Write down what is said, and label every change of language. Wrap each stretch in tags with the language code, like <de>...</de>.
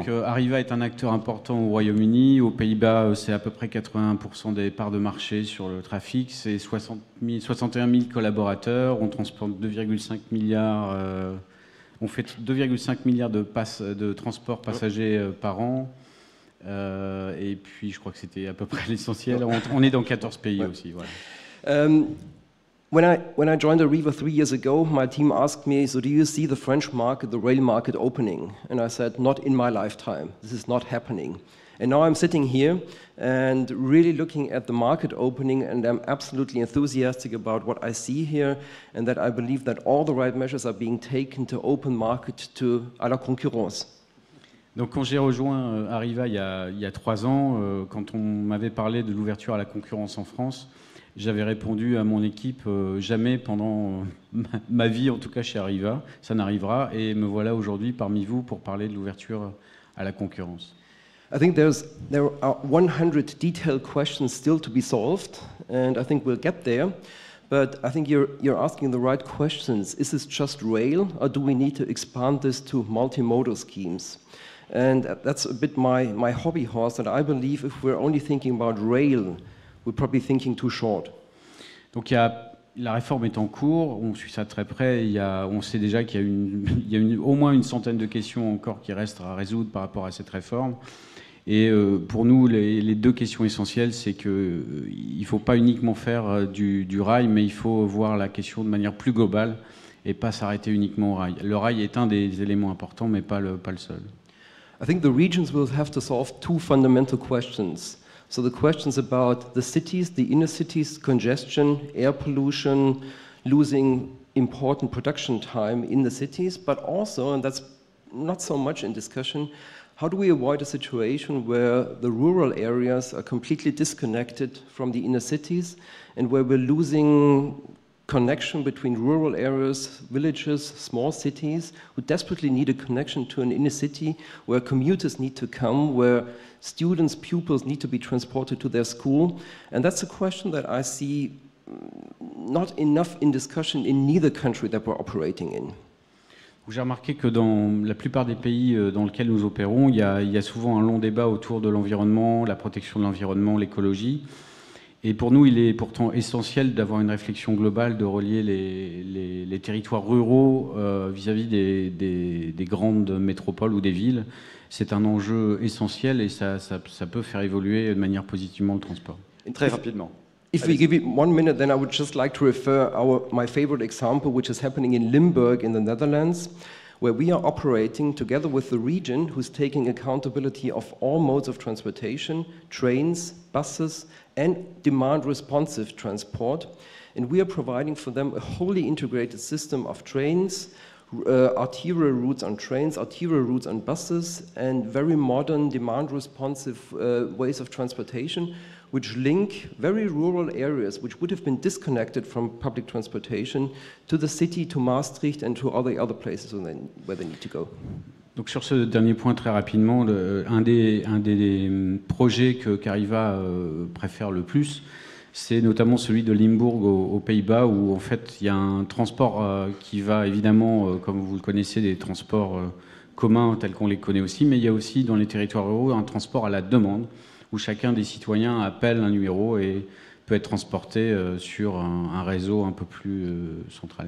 <fr>Donc, Arriva est un acteur important au Royaume-Uni. Aux Pays-Bas, c'est à peu près 81% des parts de marché sur le trafic. C'est 61 000 collaborateurs. On transporte 2,5 milliards de transports passagers par an. Et puis, je crois que c'était à peu près l'essentiel. On est dans 14 pays aussi. Voilà.</fr> <en>When I joined Arriva 3 years ago, my team asked me, so do you see the French market, the rail market opening? And I said, not in my lifetime. This is not happening. And now I'm sitting here and really looking at the market opening, and I'm absolutely enthusiastic about what I see here, and that I believe that all the right measures are being taken to open market to</en> <fr>à la concurrence. Donc quand j'ai rejoint Arriva il y a 3 ans, quand on m'avait parlé de l'ouverture à la concurrence en France, j'avais répondu à mon équipe, jamais pendant ma vie, en tout cas chez Arriva, ça n'arrivera. Et me voilà aujourd'hui parmi vous pour parler de l'ouverture à la concurrence.</fr> <en>I think there are 100 detailed questions still to be solved, and I think we'll get there. But I think you're asking the right questions. Is this just rail, or do we need to expand this to multimodal schemes? And that's a bit my hobby horse, that I believe if we're only thinking about rail, we're probably thinking too short.</en> <fr>Donc il y a La réforme est en cours, on suit ça de très près. On sait déjà qu'il y a au moins une centaine de questions encore qui restent à résoudre par rapport à cette réforme. Et pour nous, les deux questions essentielles, c'est qu'il ne faut pas uniquement faire du rail, mais il faut voir la question de manière plus globale et pas s'arrêter uniquement au rail. Le rail est un des éléments importants, mais pas le seul.</fr> <en>I think the regions will have to solve two fundamental questions. So the questions about the cities, the inner cities, congestion, air pollution, losing important production time in the cities, but also, and that's not so much in discussion, how do we avoid a situation where the rural areas are completely disconnected from the inner cities and where we're losing connection between rural areas, villages, small cities, who desperately need a connection to an inner city where commuters need to come, where students, pupils need to be transported to their school. And that's a question that I see not enough in discussion in neither country that we're operating in.</en> <fr>J'ai remarqué que dans la plupart des pays dans lesquels nous opérons, il y a souvent un long débat autour de l'environnement, la protection de l'environnement, l'écologie. Et pour nous, il est pourtant essentiel d'avoir une réflexion globale, de relier les territoires ruraux vis-à-vis des grandes métropoles ou des villes. C'est un enjeu essentiel et ça peut faire évoluer de manière positivement le transport. Très rapidement.</fr> <en>If we give you 1 minute, then I would just like to refer my favorite example, which is happening in Limburg in the Netherlands, where we are operating together with the region, who's taking accountability of all modes of transportation, trains, buses, and demand-responsive transport. And we are providing for them a wholly integrated system of trains, arterial routes on trains, arterial routes on buses, and very modern demand-responsive ways of transportation, which link very rural areas, which would have been disconnected from public transportation, to the city, to Maastricht, and to all the other places where they need to go.</en> <fr>Donc sur ce dernier point, très rapidement, un des projets que Cariva préfère le plus, c'est notamment celui de Limbourg aux Pays-Bas, où en fait il y a un transport qui va évidemment, comme vous le connaissez, des transports communs tels qu'on les connaît aussi, mais il y a aussi dans les territoires ruraux un transport à la demande, où chacun des citoyens appelle un numéro et peut être transporté sur un réseau un peu plus central.</fr>